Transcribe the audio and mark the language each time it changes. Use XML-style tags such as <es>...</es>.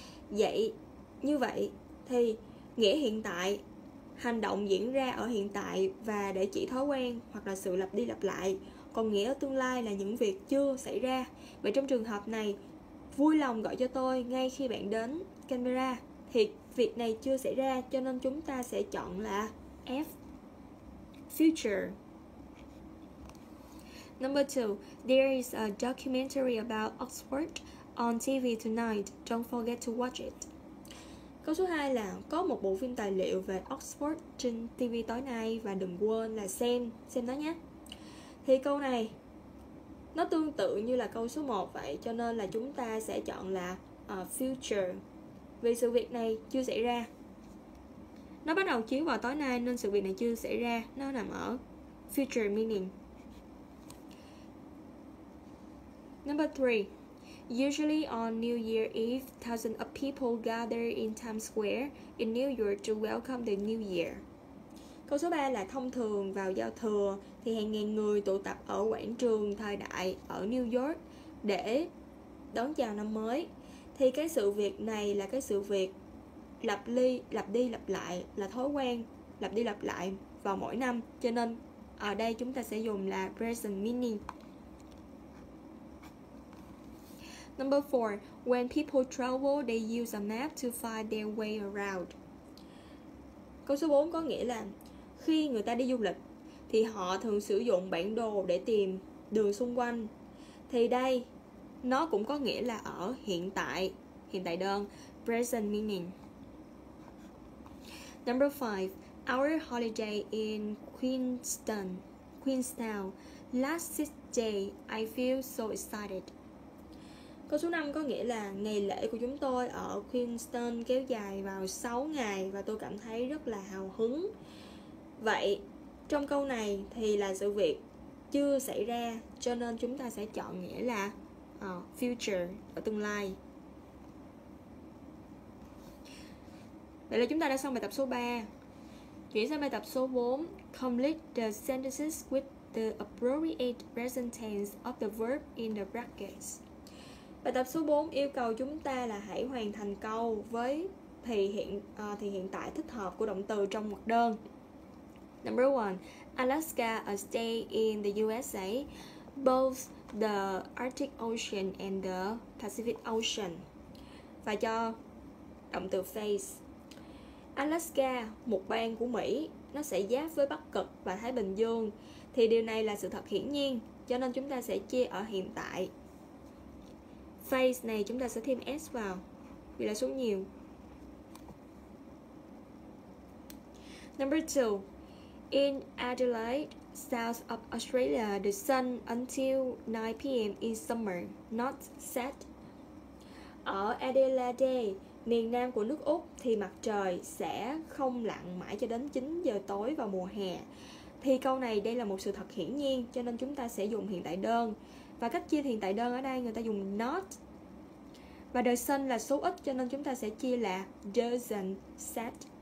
<vi>Vậy, như vậy thì nghĩa hiện tại, hành động diễn ra ở hiện tại và để chỉ thói quen hoặc là sự lặp đi lặp lại. Còn nghĩa ở tương lai là những việc chưa xảy ra. Vậy trong trường hợp này, vui lòng gọi cho tôi ngay khi bạn đến Canberra, thì việc này chưa xảy ra, cho nên chúng ta sẽ chọn là F, future.</vi> <en>Number 2, there is a documentary about Oxford on TV tonight. Don't forget to watch it.</en> <vi>Câu số 2 là có một bộ phim tài liệu về Oxford trên TV tối nay và đừng quên là xem nó nhé. Thì câu này nó tương tự như là câu số 1 vậy, cho nên là chúng ta sẽ chọn là future, vì sự việc này chưa xảy ra. Nó bắt đầu chiếu vào tối nay nên sự việc này chưa xảy ra, nó nằm ở</vi> <en>future meaning. Number 3. Usually on New Year Eve, thousands of people gather in Times Square in New York to welcome the New Year.</en> <vi>Câu số 3 là thông thường vào giao thừa thì hàng ngàn người tụ tập ở quảng trường thời đại ở New York để đón chào năm mới. Thì cái sự việc này là cái sự việc lặp đi lặp lại, là thói quen lặp đi lặp lại vào mỗi năm, cho nên ở đây chúng ta sẽ dùng là</vi> <en>present meaning. Number 4. When people travel, they use a map to find their way around.</en> <vi>Câu số 4 có nghĩa là khi người ta đi du lịch thì họ thường sử dụng bản đồ để tìm đường xung quanh. Thì đây nó cũng có nghĩa là ở hiện tại đơn,</vi> <en>present meaning. Number 5. Our holiday in Queenstown. Last 6 days, I feel so excited.</en> <vi>Câu số 5 có nghĩa là ngày lễ của chúng tôi ở Queenstown kéo dài vào 6 ngày và tôi cảm thấy rất là hào hứng. Vậy trong câu này thì là sự việc chưa xảy ra, cho nên chúng ta sẽ chọn nghĩa là future, ở tương lai. Vậy là chúng ta đã xong bài tập số 3. Chuyển sang bài tập số 4.</vi> <en>Complete the sentences with the appropriate present tense of the verb in the brackets.</en> <vi>Bài tập số 4 yêu cầu chúng ta là hãy hoàn thành câu với thì hiện tại thích hợp của động từ trong mục đơn.</vi> <en>Number 1. Alaska a stay in the USA, both the Arctic Ocean and the Pacific Ocean.</en> <vi>Và cho động từ face. Alaska, một bang của Mỹ, nó sẽ giáp với Bắc Cực và Thái Bình Dương. Thì điều này là sự thật hiển nhiên, cho nên chúng ta sẽ chia ở hiện tại. Face này chúng ta sẽ thêm S vào vì là số nhiều.</vi> <en>Number 2. In Adelaide, south of Australia, the sun until 9 p.m. in summer, not set.</en> <vi>Ở Adelaide, miền nam của nước Úc, thì mặt trời sẽ không lặn mãi cho đến 9 giờ tối vào mùa hè. Thì câu này đây là một sự thật hiển nhiên, cho nên chúng ta sẽ dùng hiện tại đơn. Và cách chia hiện tại đơn ở đây người ta dùng not. Và the sun là số ít, cho nên chúng ta sẽ chia là</vi> <en>doesn't set.</en>